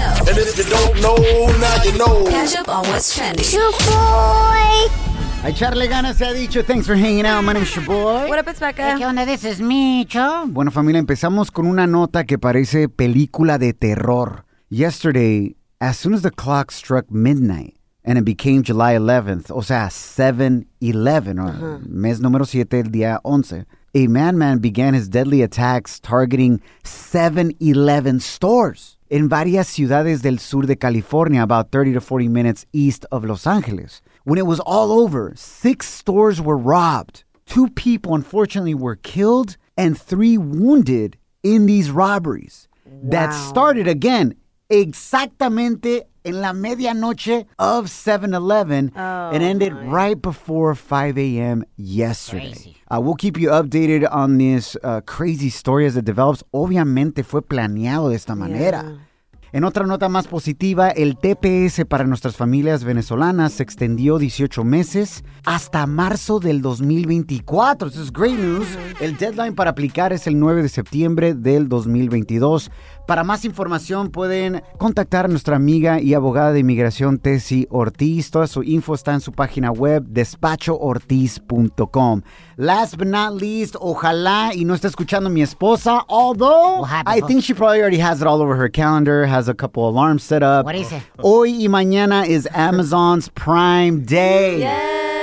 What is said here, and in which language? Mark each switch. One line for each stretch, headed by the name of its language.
English: And if you don't know, now you know. Catch up on what's trending. Your boy.
Spanish: Hi, Charly Ganas, ha dicho.
English: Thanks for hanging out. My name's your boy. What up, it's Becca. Hey,
Spanish: ¿qué onda?
English: This is Micho.
Spanish: Bueno, familia, empezamos con una nota que parece película de terror.
English: Yesterday, as soon as the clock struck midnight, and it became July 11th,
Spanish: o sea,
English: 7-11, or
Spanish: mes número 7, el día 11,
English: a madman began his deadly attacks targeting 7-11 stores. In
Spanish: varias ciudades del sur de
English: California, about 30 to 40 minutes east of Los Angeles. When it was all over, 6 stores were robbed. 2 people, unfortunately, were killed and 3 wounded in these robberies. Wow. That started, again,
Spanish: exactamente en la medianoche
English: of 7-Eleven and ended right before 5 a.m. yesterday. We'll keep you updated on this crazy story as it develops.
Spanish: Obviamente fue planeado de esta manera.
English: Yeah.
Spanish: En otra nota más positiva, el TPS para nuestras familias venezolanas se extendió 18 meses hasta marzo del 2024.
English: This is great news.
Spanish: El deadline para aplicar es el 9 de septiembre del 2022. Para más información pueden contactar a nuestra amiga y abogada de inmigración, Tessy Ortiz. Toda su info está en su página web, despachoortiz.com.
English: Last but not least,
Spanish: ojalá y no esté escuchando mi esposa,
English: although I think she probably already has it all over her calendar, has a couple alarms set up. What is it?
Spanish: Hoy y mañana
English: is Amazon's Prime Day. Yeah.